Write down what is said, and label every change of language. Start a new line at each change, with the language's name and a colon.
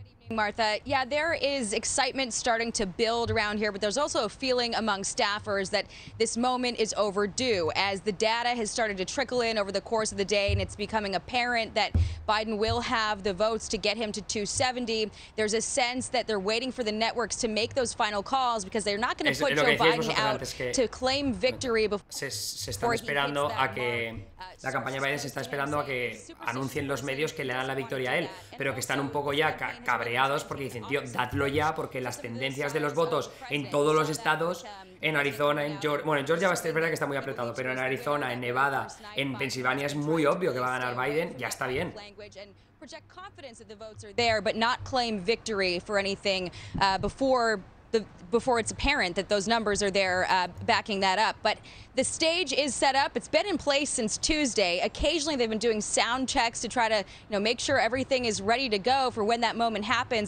English: Martha, yeah, there is excitement starting to build around here, but there's also a feeling among staffers that this moment is overdue as the data has started to trickle in over the course of the day and it's becoming apparent that Biden will have the votes to get him to 270. There's a sense that they're waiting for the networks to make those final calls because they're not going to put Joe Biden out to claim victory before
Spanish: se están esperando a que la campaña Biden se está esperando a que anuncien los medios que le dan la victoria a él, pero que están un poco ya cabreados porque dicen, tío, dadlo ya, porque las tendencias de los votos en todos los estados, en Arizona, en Georgia, bueno, en Georgia es verdad que está muy apretado, pero en Arizona, en Nevada, en Pensilvania es muy obvio que va a ganar Biden, ya está bien.
English: Before it's apparent that those numbers are there backing that up. But the stage is set up. It's been in place since Tuesday. Occasionally they've been doing sound checks to try to, you know, make sure everything is ready to go for when that moment happens.